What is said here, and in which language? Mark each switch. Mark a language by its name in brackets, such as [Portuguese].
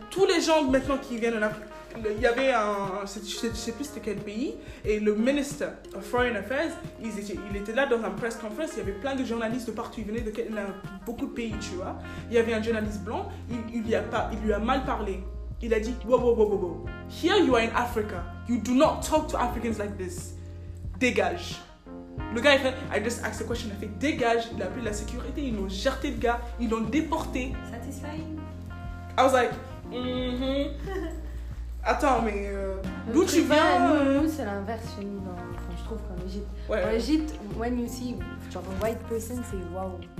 [French] Tous les gens maintenant qui viennent en Afrique, il y avait un, je sais plus c'était quel pays, et le ministre [English] of Foreign Affairs, [French] il était là dans un [English] press conference, [French] il y avait plein de journalistes de partout, il venait de beaucoup de pays, tu vois. Il y avait un journaliste blanc, il lui a mal parlé. Il a dit, [English] whoa, here you are in Africa, you do not talk to Africans like this, [French] dégage. Le gars, il fait, [English] I just asked a question, [French] il a fait, dégage, il a appelé la sécurité, ils l'ont jeté le gars, ils l'ont déporté. [English] Satisfying. I was like, [French] attends, mais d'où tu viens? Nous, c'est l'inverse chez nous, enfin, je trouve, en Égypte. Ouais. En Égypte, [English] when you see, [French] genre, [English] a white person, [French] c'est wow.